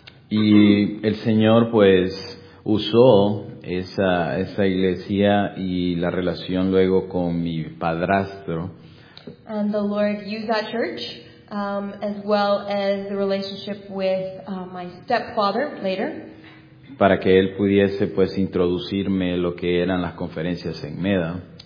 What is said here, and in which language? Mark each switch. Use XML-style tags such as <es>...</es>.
<es>Y el Señor pues usó esa iglesia y la relación luego con mi padrastro.</es> <en>And the Lord used that church, as well as the relationship with my stepfather later.</en> <es>Para que él pudiese pues introducirme lo que eran las conferencias en MEDA.</es>